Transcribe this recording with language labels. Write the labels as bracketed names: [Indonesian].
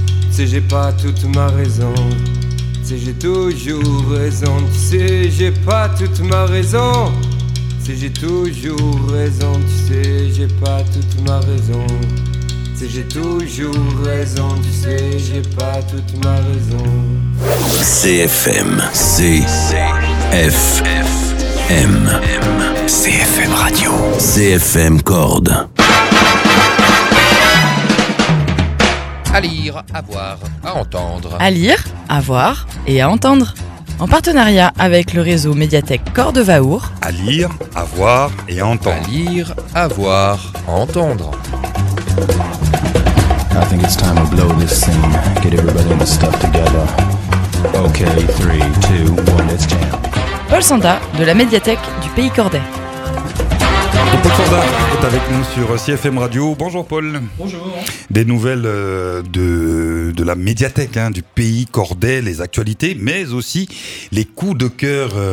[French] Tu sais, j'ai pas toute ma raison. Tu sais, j'ai toujours raison. Tu sais, j'ai pas toute ma raison. Tu sais, j'ai toujours raison. Tu sais, j'ai pas toute ma raison. Si j'ai toujours raison, tu sais, j'ai pas toute ma raison. CFM, CFM, CFM Radio, CFM Corde. À lire, à voir, à entendre. À lire, à voir et à entendre. En partenariat avec le réseau médiathèque Corde Vaour. À lire, à voir et à entendre. À lire, à voir, à entendre. [English] I think it's time to blow this scene. Get everybody in the stuff together. Okay, 3, 2, 1, let's jam. [French] Paul Sanda, de la médiathèque du Pays Cordais. Et Paul Sanda est avec nous sur CFM Radio. Bonjour Paul. Bonjour. Des nouvelles de la médiathèque du Pays Cordais, les actualités, mais aussi les coups de cœur